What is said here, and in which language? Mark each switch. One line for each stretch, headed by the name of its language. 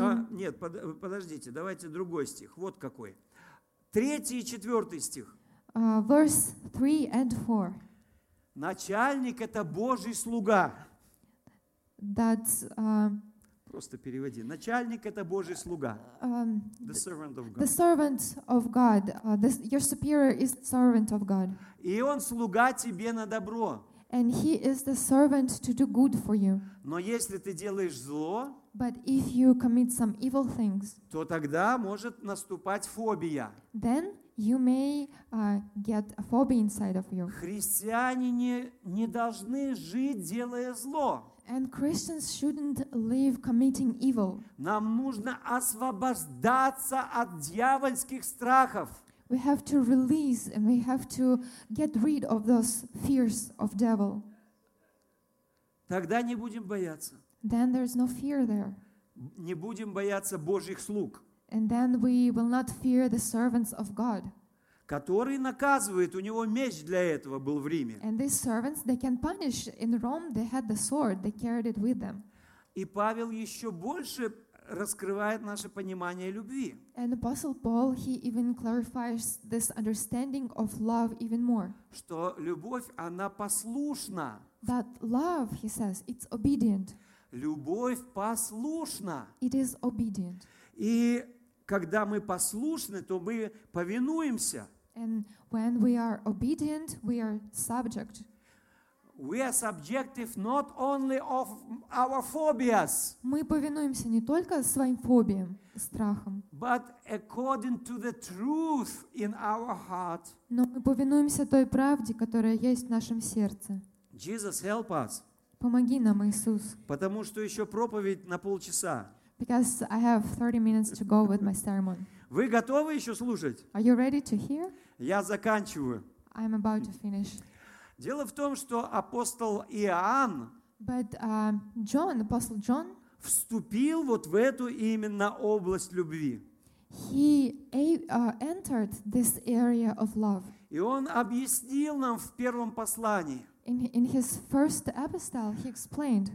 Russian: Нет, подождите, давайте другой стих. Вот какой. Третий и четвертый стих.
English: Verse 3 and 4.
Russian: Начальник это Божий слуга.
English: That's
Russian: просто переводи. Начальник это Божий слуга.
English: The servant of God. The servant of God. Your superior is servant of God.
Russian: И он слуга тебе на добро.
English: And he is the servant to do good for you.
Russian: Но если ты делаешь зло,
English: but if you commit some evil things,
Russian: то тогда может наступать фобия.
English: Then you may get a phobia inside of you.
Russian: Христиане не должны жить, делая зло.
English: And Christians shouldn't live committing evil.
Russian: Нам нужно освобождаться от дьявольских страхов.
English: We have to release and we have to get rid of those fears of devil.
Russian: Тогда не будем бояться.
English: Then there's no fear there.
Russian: Не будем бояться Божьих слуг.
English: And then we will not fear the servants of God.
Russian: Который наказывает, у него меч для этого был в Риме.
English: And these servants, they can punish. In Rome, they had the sword, they carried it with them.
Russian: И Павел еще больше раскрывает наше понимание любви.
English: And Apostle Paul, he even clarifies this understanding of love even more.
Russian: Что любовь, она послушна.
English: That love, he says, it's obedient.
Russian: Любовь послушна.
English: It is obedient.
Russian: И когда мы послушны, то мы повинуемся.
English: And when we are obedient, we are subject. We are subjective not only of our phobias.
Russian: Мы повинуемся не только своим фобиям, страхам.
English: But according to the truth in our heart.
Russian: Но мы повинуемся той правде, которая есть в нашем сердце.
English: Jesus, help us.
Russian: Помоги нам, Иисус. Потому что еще проповедь на полчаса.
English: Because I have 30 minutes to go with my sermon.
Russian: Вы готовы еще слушать?
English: Are you ready to hear?
Russian: Я заканчиваю.
English: I'm about to finish.
Russian: Дело в том, что апостол Иоанн
English: John,
Russian: вступил вот в эту именно область любви.
English: He entered this area of love.
Russian: И он объяснил нам в первом послании.
English: In his first epistle, he explained.